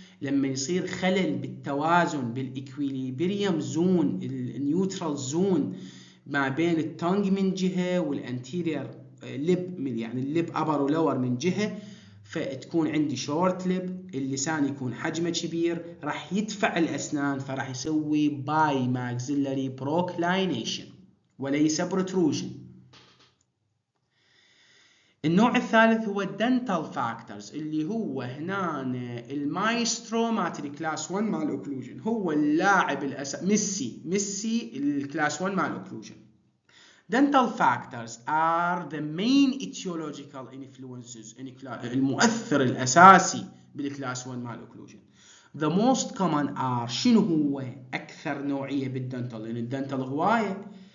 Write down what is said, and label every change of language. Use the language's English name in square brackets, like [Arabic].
[Arabic] لما يصير خلل بالتوازن بالإكويليبريم زون، النيوترال زون ما بين التونج من جهة والأنتيرير ليب، يعني الليب أبر ولور من جهة، فتكون عندي شورت ليب، اللسان يكون حجمه كبير، راح يدفع الأسنان، فراح يسوي باي ماكسيلاري بروكلاينيشن وليس بروتروجن. النوع الثالث هو dental factors، اللي هو هنا المايسترو ماتري كلاس 1 مال اوكلوجن، هو اللاعب الاساسي، ميسي الكلاس 1 مال اوكلوجن. [English] dental factors are the main etiological influences، [Arabic] المؤثر الاساسي بالكلاس 1 مال اوكلوجن. [English] the most common are، [Arabic] شنو هو اكثر نوعيه بالدنتال؟ لان الدنتال هوايه.